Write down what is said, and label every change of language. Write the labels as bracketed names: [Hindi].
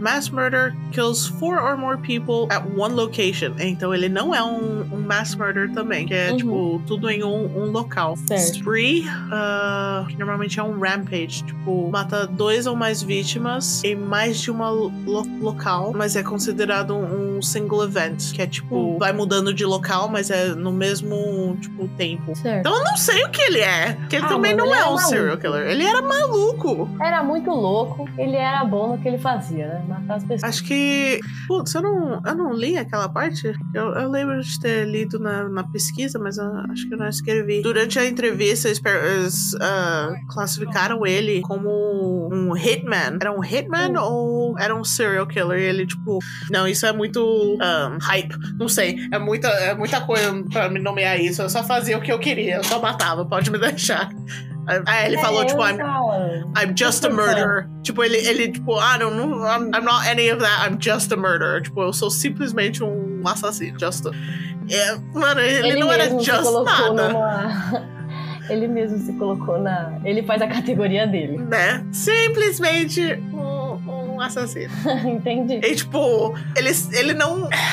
[English] Mass murder kills four or more people at one location. [Portuguese] Então ele não é um [English] mass murder [Portuguese] também, que é uhum. tipo tudo em um local. Certo. Spree, que normalmente é um rampage, tipo mata dois ou mais vítimas em mais de uma local, mas é considerado um single event, que é tipo vai mudando de local, mas é no mesmo tipo tempo. Certo. Então eu não sei o que ele é, que ele também não é um serial killer. Ele era maluco. Era muito louco. Ele era bom no que ele fazia, né? Matar as pessoas. Acho que... Putz, eu não li aquela parte. Eu lembro de ter lido na pesquisa, mas acho que eu não escrevi. Durante a entrevista, eles classificaram ele como um hitman. Era um hitman ou era um serial killer? E ele, tipo... Não, isso é muito hype. Não sei. É muita coisa pra me nomear isso. Eu só fazia o que eu queria. Eu só matava. Pode me deixar. Aí ele falou, tipo, [English] I'm just a murderer. [Portuguese] Tipo, ele tipo, [English] I don't know, I'm not any of that, I'm just a murderer. [Portuguese] Tipo, eu sou simplesmente um assassino. Just a... É, mano, ele não era just nada. Ele mesmo se colocou na... Ele faz a categoria dele. Né? Simplesmente um assassino. Entendi. E, tipo, ele não...